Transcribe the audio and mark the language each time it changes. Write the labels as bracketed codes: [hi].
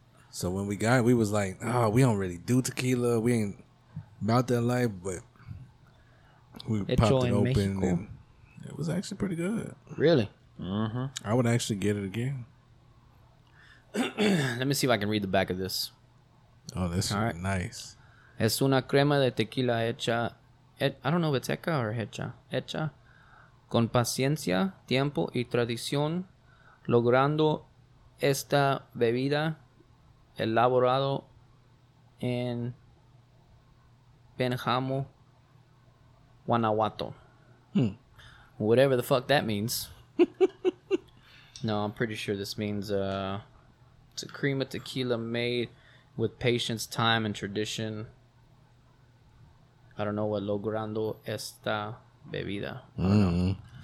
[en] So when we got it, we was like, oh, we don't really do tequila. We ain't about that life, but we popped it open. And it was actually pretty good. Really? I would actually get it again. Let me see if I can read the back of this. Oh, this is right. Nice. [es] Es una crema de tequila hecha. [en] I don't know if it's hecha or hecha. [es] Hecha. Con paciencia, tiempo y tradición, logrando esta bebida elaborado en Benjamo, Guanajuato. [en] Whatever the fuck that means. No, I'm pretty sure this means it's a cream of tequila made with patience, time, and tradition. I don't know what [es] logrando esta bebida. [en] I don't know.